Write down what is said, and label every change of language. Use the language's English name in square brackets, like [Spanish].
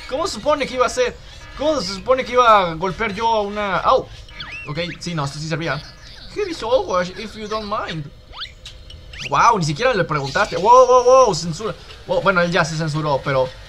[Spanish] ¿Cómo se supone que iba a ser? ¿Cómo se supone que iba a golpear yo a una...? ¡Oh! Ok, sí, no, esto sí servía. [English] Here is Owash, if you don't mind. ¡Wow! [Spanish] Ni siquiera le preguntaste. ¡Wow, wow, wow! Censura. Wow, bueno, él ya se censuró, pero...